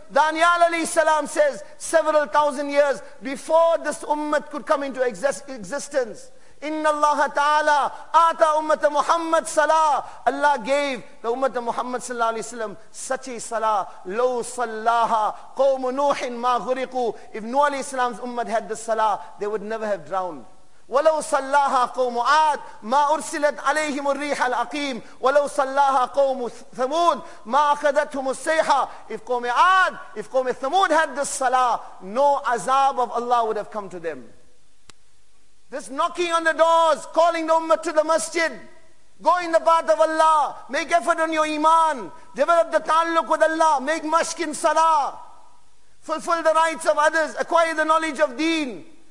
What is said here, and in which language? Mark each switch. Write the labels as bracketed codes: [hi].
[en] Daniel alayhi salam says, several thousand years before this ummah could come into existence, [ar] "Inna Allah ta'ala ata ummat Muhammad salah." [en] Allah gave the ummat Muhammad sallallahu alayhi wasallam such a salah. [ar] "Lo sallaha qawm nuhin ma ghuriqu." [en] If Nuh alayhi salam's ummah had this salah, they would never have drowned. [ar] "ولو صلاها قوم عاد ما أرسلت عليهم الريح العقيم ولو صلاها قوم ثمود ما أخذتهم الصيحة." [en] If قوم عاد, if قوم ثمود had this salah, no azab of Allah would have come to them. This knocking on the doors, calling the ummah to the masjid, go in the path of Allah, make effort on your iman, develop the ta'alluq with Allah, make mashk in salah, fulfill the rights of others, acquire the knowledge of deen.